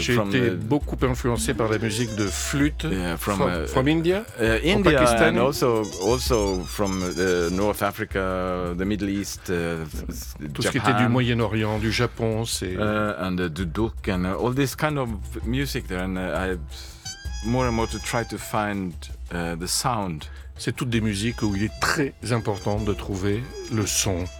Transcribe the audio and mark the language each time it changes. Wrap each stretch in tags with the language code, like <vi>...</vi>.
<fr>J'ai été beaucoup influencé par la musique de flûte.</fr> <en>Yeah, from India. India, Pakistan. And also from North Africa, the Middle East.</en> <fr>Tout ce qui était du Moyen-Orient, du Japon, c'est.</fr> <en>And the duduk and all this kind of music there, and I more and more to try to find the sound.</en> <fr>C'est toutes des musiques où il est très important de trouver le son.</fr>